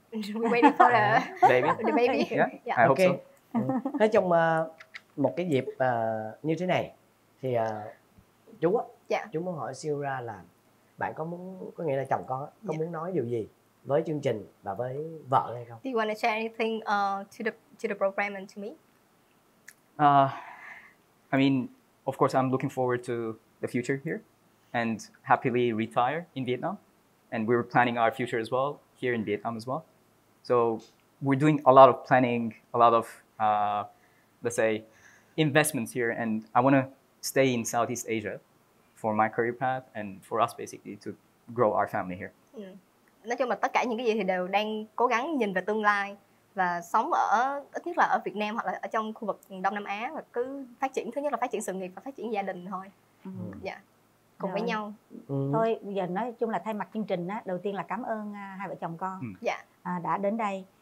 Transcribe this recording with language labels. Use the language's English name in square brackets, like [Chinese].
[English] We're waiting for the baby. Yeah. Yeah. I hope so. [Vietnamese] Nói chung một cái dịp như thế này thì chú á, chú muốn hỏi siêu ra là bạn có muốn, có nghĩa là chồng con có muốn nói điều gì với chương trình và với vợ hay không? [English] Do you want to share anything to the program and to me? I mean, of course I'm looking forward to the future here and happily retire in Vietnam, and we were planning our future as well here in Vietnam as well. So we're doing a lot of planning, a lot of let's say investments here, and I want to stay in Southeast Asia for my career path and for us basically to grow our family here. [Vietnamese] Nói chung là tất cả những cái gì thì đều đang cố gắng nhìn về tương lai và sống ở ít nhất là ở Việt Nam hoặc là ở trong khu vực Đông Nam Á, và cứ phát triển, thứ nhất là phát triển sự nghiệp và phát triển gia đình thôi. Dạ. Cùng với nhau. Thôi bây giờ nói chung là thay mặt chương trình á, đầu tiên là cảm ơn hai vợ chồng con đã đến đây.